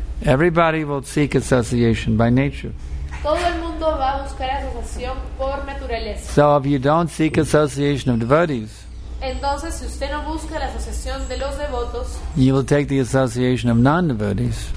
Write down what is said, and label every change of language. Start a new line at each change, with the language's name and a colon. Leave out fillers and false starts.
English: Everybody will seek association by nature.
Spanish: Todo el mundo va a buscar asociación por naturaleza.
English: So if you don't seek association of devotees,
Spanish: entonces, si usted no busca la asociación de los devotos,
English: you will take the association of non-devotees.